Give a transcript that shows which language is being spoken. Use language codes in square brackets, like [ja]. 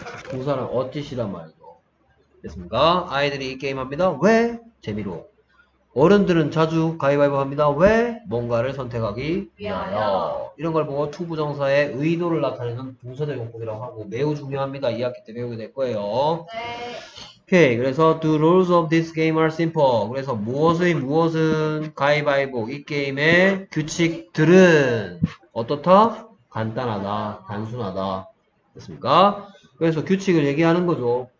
[ko] 동사는 어찌시란 말이죠. 됐습니까? 아이들이 이 게임 합니다. 왜? 재미로. 어른들은 자주 가위바위보 합니다. 왜? 뭔가를 선택하기 위하여. 이런 걸 보고 투부정사의 의도를 나타내는 동사적 용법이라고 하고 매우 중요합니다. 이 학기 때 배우게 될 거예요. 네. 오케이. 그래서 [en] the rules of this game are simple. [ko] 그래서 무엇의 무엇은 가위바위보 이 게임의 규칙들은 어떻다? 간단하다. 단순하다. 됐습니까? 그래서 규칙을 얘기하는 거죠.